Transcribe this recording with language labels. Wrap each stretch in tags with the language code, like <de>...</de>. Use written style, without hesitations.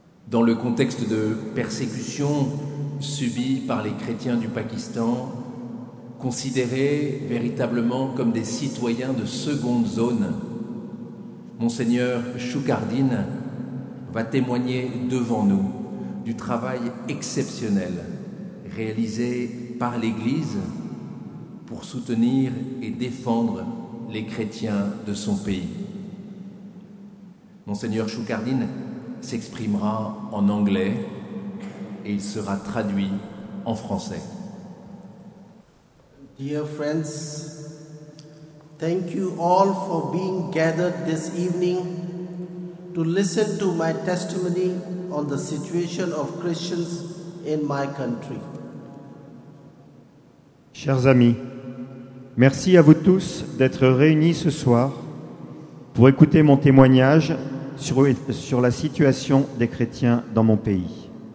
<fr>Dans le contexte de persécution subie par les chrétiens du Pakistan, considérés véritablement comme des citoyens de seconde zone, Monseigneur Choukardine va témoigner devant nous du travail exceptionnel réalisé par l'Église pour soutenir et défendre les chrétiens de son pays. Monseigneur Choukardine s'exprimera en anglais et il sera traduit en français.</fr> <en>Dear friends, thank you all for being gathered this evening to listen to my testimony on the situation of Christians in my country.</en> <fr>Chers amis, merci à vous tous d'être réunis ce soir pour écouter mon témoignage sur la situation des chrétiens dans mon pays.</fr>